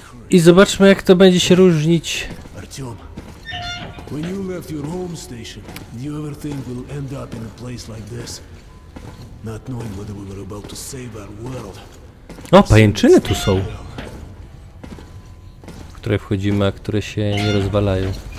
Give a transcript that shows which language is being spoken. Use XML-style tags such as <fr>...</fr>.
<pl>I zobaczmy, jak to będzie się różnić.</pl> <en>Artyom, when you left your home station, did you ever think we'll end up in a place like this, not knowing whether we were about to save our world?</en> <pl>O, pajęczyny tu są. Które wchodzimy, a które się nie rozwalają.</pl>